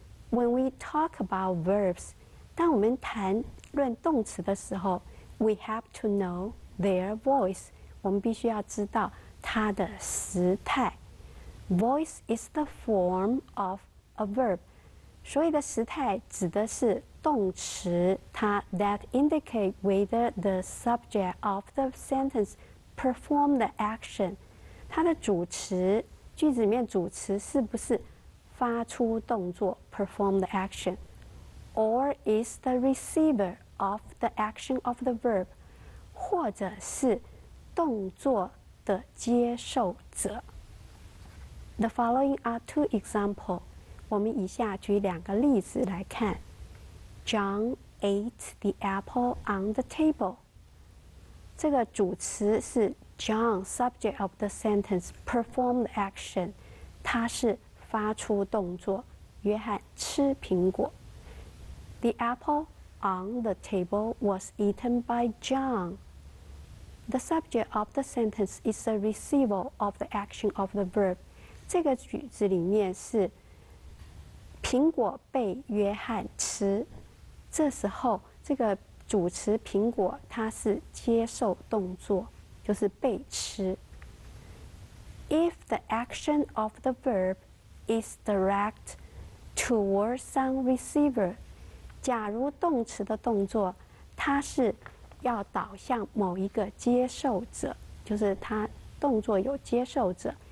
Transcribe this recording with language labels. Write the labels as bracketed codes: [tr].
[en] When we talk about verbs, [zh] 当我们谈论动词的时候 [en] we have to know their voice. [zh] 我们必须要知道它的时态。 [en] Voice is the form of a verb. [zh] 所以的时态指的是动词它 [en] that indicate whether the subject of the sentence perform the action. [zh] 它的主词句子里面主词是不是发出动作 [en] perform the action. Or is the receiver of the action of the verb. [zh] 或者是动作的接受者。 [en] The following are two examples. [zh] 我们以下举两个例子来看。 [en] John ate the apple on the table. [zh] 这个主词是 [en] John, subject of the sentence, performed action. [zh] 他是发出动作。约翰吃苹果。 [en] The apple on the table was eaten by John. The subject of the sentence is the receiver of the action of the verb. [zh] 这个句子里面是苹果被约翰吃，这时候这个主词苹果它是接受动作，就是被吃。 [en] If the action of the verb is direct toward some receiver, [zh] 假如动词的动作它是要导向某一个接受者，就是它动作有接受者。